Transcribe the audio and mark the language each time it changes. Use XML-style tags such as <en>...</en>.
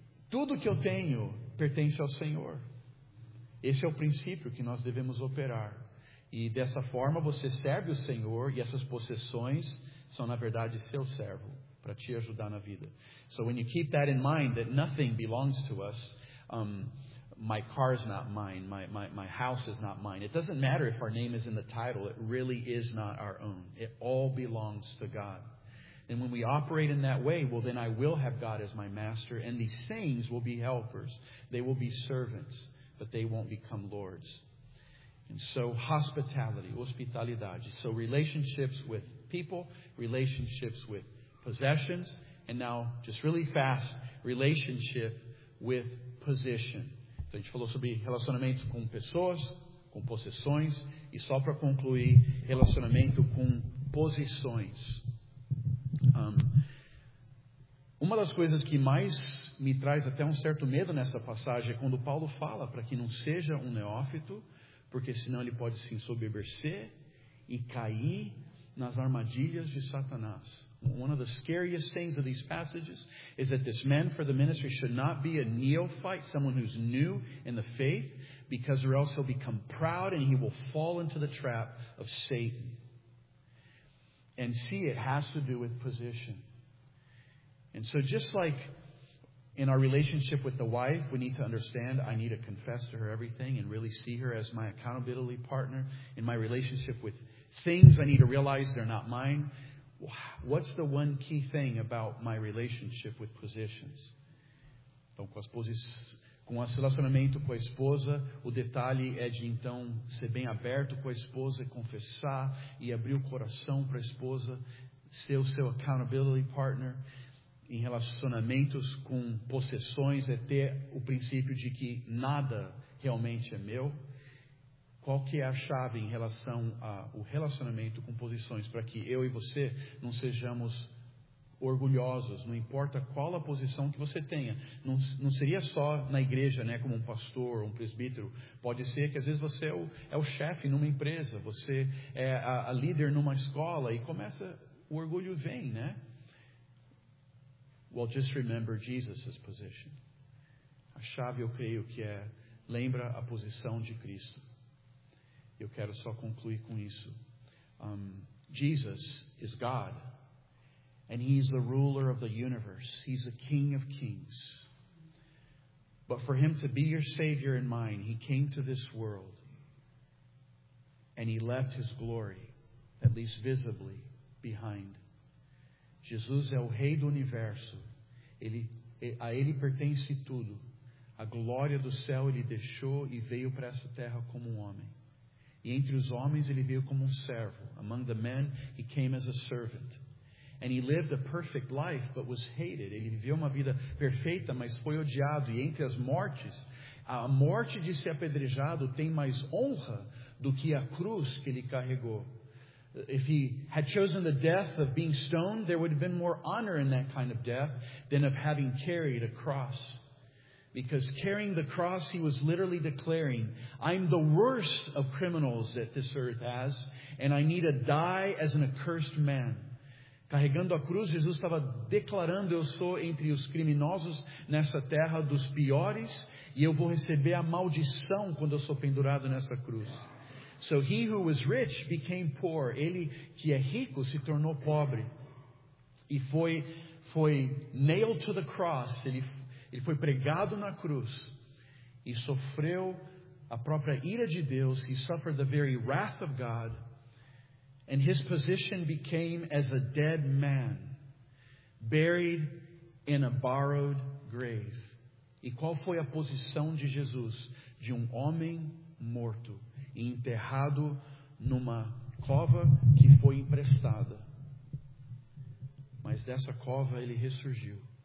<pt>tudo que eu tenho pertence ao Senhor. Esse é o princípio que nós devemos operar. E dessa forma você serve o Senhor, e essas possessões são, na verdade, seu servo, para te ajudar na vida.</pt> <en>So when you keep that in mind, that nothing belongs to us, my car is not mine, my house is not mine. It doesn't matter if our name is in the title, it really is not our own. It all belongs to God. And when we operate in that way, well, then I will have God as my master, and these things will be helpers. They will be servants, but they won't become lords. And so hospitalidade. So relationships with people, relationships with possessions, and now, just really fast, relationship with position.</en> <pt>Então, a gente falou sobre relacionamentos com pessoas, com possessões, e só para concluir, relacionamento com posições. Uma das coisas que mais me traz até certo medo nessa passagem é quando Paulo fala para que não seja neófito, porque senão ele pode se ensoberbecer e cair nas armadilhas de Satanás.</pt> <en>One of the scariest things of these passages is that this man for the ministry should not be a neophyte, someone who's new in the faith, because or else he'll become proud and he will fall into the trap of Satan. And see, it has to do with position. And so just like in our relationship with the wife, we need to understand I need to confess to her everything and really see her as my accountability partner. In my relationship with things, I need to realize they're not mine. What's the one key thing about my relationship with positions?</en> <pt>Então, com o relacionamento com a esposa, o detalhe é de, então, ser bem aberto com a esposa e confessar e abrir o coração para a esposa, ser o seu accountability partner. Em relacionamentos com possessões, é ter o princípio de que nada realmente é meu. Qual que é a chave em relação ao relacionamento com posições para que eu e você não sejamos orgulhosos, não importa qual a posição que você tenha. Não seria só na igreja, né, como um pastor, um presbítero. Pode ser que às vezes você é o chefe numa empresa, você é a líder numa escola e começa, o orgulho vem, né?</pt> <en>Well, just remember Jesus' position.</en> <pt>A chave, eu creio que é, lembra a posição de Cristo. Eu quero só concluir com isso.</pt> <en>Jesus is God, and he is the ruler of the universe. He's the King of Kings. But for him to be your Savior and mine, he came to this world, and he left his glory, at least visibly, behind.</en> <pt>Jesus é o Rei do Universo. A ele pertence tudo. A glória do céu ele deixou e veio para essa terra como homem. E entre os homens ele veio como servo.</pt> <en>Among the men, he came as a servant. And he lived a perfect life, but was hated.</en> <pt>Ele viveu uma vida perfeita, mas foi odiado. E entre as mortes, a morte de ser apedrejado tem mais honra do que a cruz que ele carregou.</pt> <en>If he had chosen the death of being stoned, there would have been more honor in that kind of death than of having carried a cross. Because carrying the cross, he was literally declaring, I'm the worst of criminals that this earth has, and I need to die as an accursed man.</en> <pt>Carregando a cruz, Jesus estava declarando, eu sou entre os criminosos nessa terra dos piores, e eu vou receber a maldição quando eu sou pendurado nessa cruz.</pt> <en>So he who was rich became poor.</en> <pt>Ele que é rico se tornou pobre. E foi</pt> <en>nailed to the cross.</en> <pt>Ele foi pregado na cruz e sofreu a própria ira de Deus.</pt> <en>He suffered the very wrath of God. And his position became as a dead man, buried in a borrowed grave.</en> <pt>E qual foi a posição de Jesus? De homem morto. enterrado numa cova que foi emprestada. Mas dessa cova ele ressurgiu.</pt>